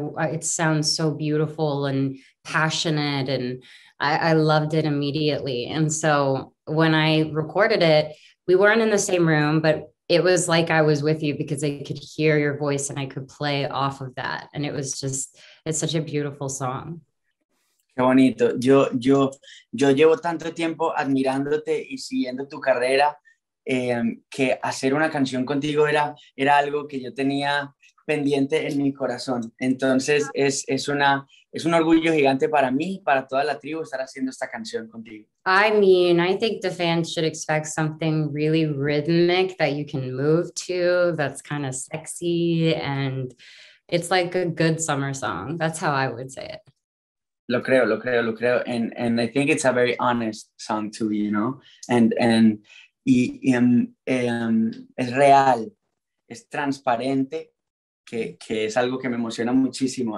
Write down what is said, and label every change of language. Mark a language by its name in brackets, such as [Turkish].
[English] It sounds so beautiful and passionate. And I loved it immediately. And so when I recorded it, we weren't in the same room, but it was like I was with you because I could hear your voice and I could play off of that. And it was just, it's such a beautiful song. [Spanish] Qué bonito. Yo llevo tanto tiempo admirándote y siguiendo tu carrera, que hacer una canción contigo era algo que yo tenía pendiente en mi corazón. Entonces es un orgullo gigante para mí, para toda la tribu, estar haciendo esta canción contigo. [English] I mean, I think the fans should expect something really rhythmic that you can move to, that's kind of sexy, and it's like a good summer song. That's how I would say it. [Spanish] Lo creo, lo creo, lo creo. [English] And I think it's a very honest song too, you know? And [Spanish] es real, es transparente, que es algo que me emociona muchísimo.